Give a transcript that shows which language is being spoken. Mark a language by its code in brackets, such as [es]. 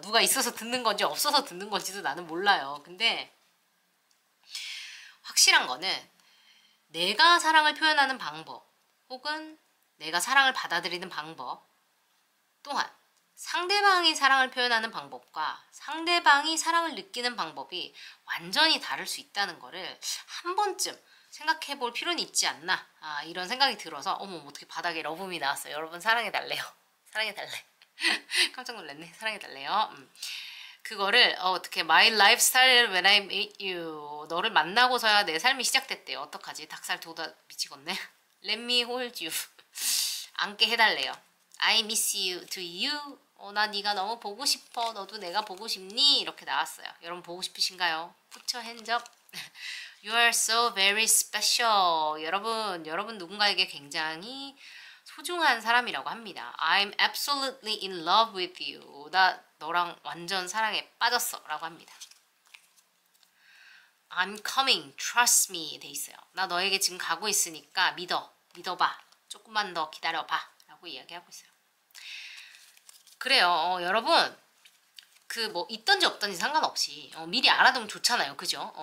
[ko] 누가 있어서 듣는 건지 없어서 듣는 건지도 나는 몰라요. 근데 확실한 거는 내가 사랑을 표현하는 방법 혹은 내가 사랑을 받아들이는 방법, 또한 상대방이 사랑을 표현하는 방법과 상대방이 사랑을 느끼는 방법이 완전히 다를 수 있다는 거를 한 번쯤 생각해 볼 필요는 있지 않나. 아, 이런 생각이 들어서, 어머, 어떻게 바닥에 러브미 나왔어. 여러분, 사랑해 달래요. 사랑해 달래. 깜짝 놀랐네. 사랑해 달래요. 그거를, 어떻게, [en] my lifestyle when I meet you. [ko] 너를 만나고서야 내 삶이 시작됐대요. 어떡하지? 닭살 돋아, 미치겠네. [en] Let me hold you. [ko] 안게 해 달래요. [en] I miss you. Do you? [ko] 나 네가 너무 보고 싶어. 너도 내가 보고 싶니? 이렇게 나왔어요. 여러분 보고 싶으신가요? [en] Put your hands up. You are so very special. [ko] 여러분 누군가에게 굉장히 소중한 사람이라고 합니다. [en] I'm absolutely in love with you. [ko] 나 너랑 완전 사랑에 빠졌어라고 합니다. [en] I'm coming. Trust me. [ko] 돼 있어요. 나 너에게 지금 가고 있으니까 믿어. 믿어봐. 조금만 더 기다려봐라고 이야기하고 있어요. 그래요. 여러분, 그뭐 있든지 없든지 상관없이 미리 알아두면 좋잖아요. 그죠?